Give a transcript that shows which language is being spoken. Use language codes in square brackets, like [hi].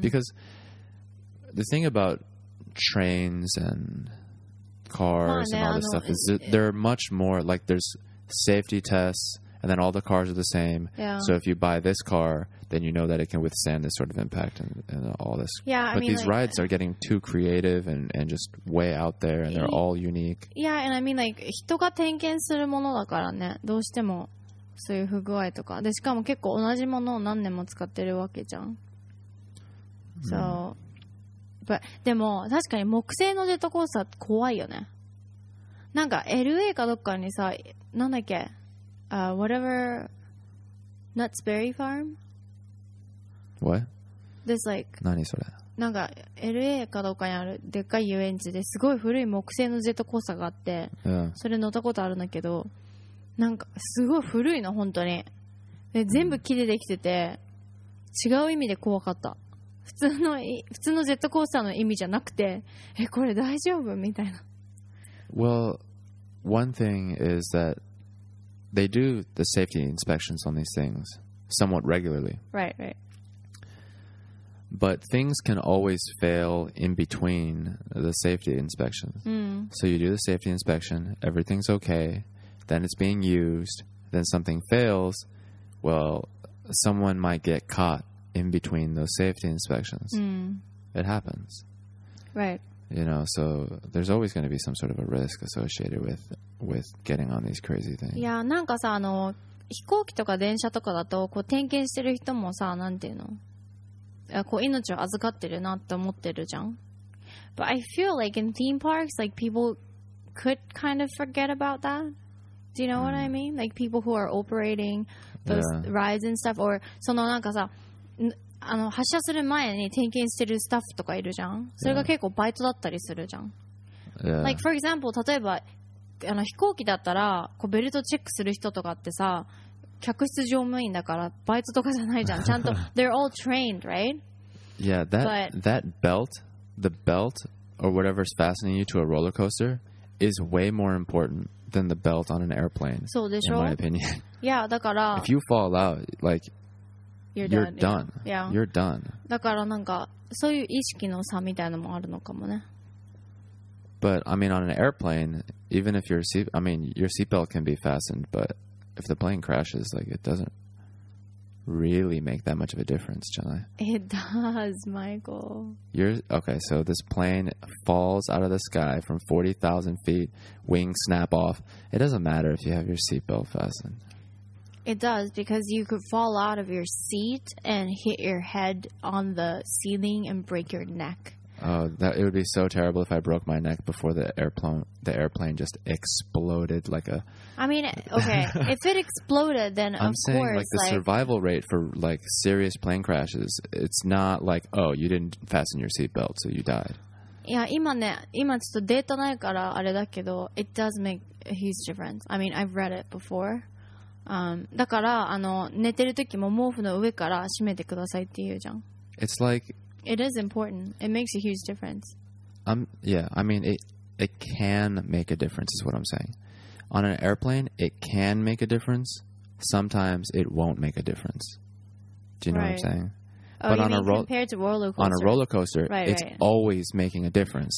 [en] Because the thing about trains and cars and all this stuff is they're much more, like there's safety tests and then all the cars are the same.、 Yeah. So if you buy this car, then you know that it can withstand this sort of impact and all this. Yeah, But I mean, these、 like、 rides are getting too creative and just way out there and they're all unique. Yeah, and I mean like, [ja] 人が点検するものだからね、どうしても。そういう不具合とかでしかも結構同じものを何年も使ってるわけじゃん、mm. [en] So, but, [ja] でも確かに木製のジェットコースター怖いよね。なんか LA かどっかにさ、なんだっけ、 [en] whatever Nuts Berry Farm? What? This like [ja] 何それ、なんか LA かどっかにあるでっかい遊園地ですごい古い木製のジェットコースターがあって、 [en] yeah. [ja] それ乗ったことあるんだけど、なんかすごい古いの本当に、で全部木でできてて違う意味で怖かった。普通のジェットコースターの意味じゃなくて、えこれ大丈夫みたいな。 [en] Well, one thing is that they do the safety inspections on these things somewhat regularly. Right, right. But things can always fail in between the safety inspections. Mm. So you do the safety inspection, everything's okay. Then it's being used. Then something fails. Well, someone might get caught in between those safety inspections. Mm. It happens. Right. You know, so there's always going to be some sort of a risk associated with getting on these crazy things. [ja] Yeah, なんかさ、あの、飛行機とか電車とかだと、こう、点検してる人もさ、なんていうの？こう、命を預かってるなって思ってるじゃん。 [en] But I feel like in theme parks, like people could kind of forget about that. Do you know what I mean? Like people who are operating those rides and stuff, or [ja] そのなんかさ、あの発車する前に点検してるスタッフとかいるじゃん。それが結構バイトだったりするじゃん。 [en] Like for example, [ja] 例えばあの飛行機だったらこうベルトチェックする人とかってさ、客室乗務員だからバイトとかじゃないじゃん。ちゃんと [en] they're all trained, right? Yeah, that belt, the belt or whatever's fastening you to a roller coaster is way more important than the belt on an airplane. [ja] そうでしょ? [en] In my opinion. [ja] Yeah, だから [en] If you fall out, like you're done. Yeah. You're done. [ja] だからなんかそういう意識の差みたいなのもあるのかもね。 [en] But I mean, on an airplane, even if your your seatbelt can be fastened, but if the plane crashes, like it doesn't really make that much of a difference, Chennai. It does, Michael. Okay, so this plane falls out of the sky from 40,000 feet, wings snap off. It doesn't matter if you have your seatbelt fastened. It does, because you could fall out of your seat and hit your head on the ceiling and break your neck. Oh, that it would be so terrible if I broke my neck before the airplane just exploded like a. I mean, okay, if it exploded, then of course. I'm saying like the survival rate for like serious plane crashes, it's not like oh you didn't fasten your seatbelt so you died. [ja] Yeah, 今ね、今ちょっとデータないからあれだけど [en] it does make a huge difference. I mean, I've read it before. [ja] だからあの寝てる時も毛布の上から閉めてくださいって言うじゃん。 [en] It's like. It is important. It makes a huge difference. Yeah, I mean, it can make a difference is what I'm saying. On an airplane, it can make a difference. Sometimes it won't make a difference. Do you know what I'm saying? Oh, but you mean compared to roller coaster? On a roller coaster, it's always making a difference.